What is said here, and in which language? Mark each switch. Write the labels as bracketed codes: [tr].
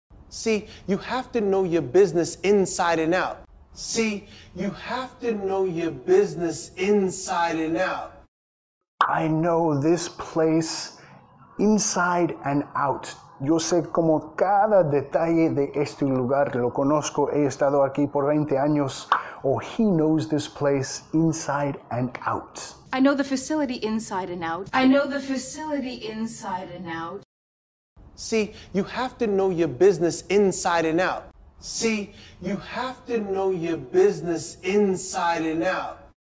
[en] See, you have to know your business inside and out. See, you have to know your business inside and out. I know this place inside and out. [es] Yo sé como cada detalle de este lugar, lo conozco, he estado aquí por 20 años. [en] Or he knows this place inside and out. I know the facility inside and out. I know the facility inside and out. See, you have to know your business inside and out. See, you have to know your business inside and out.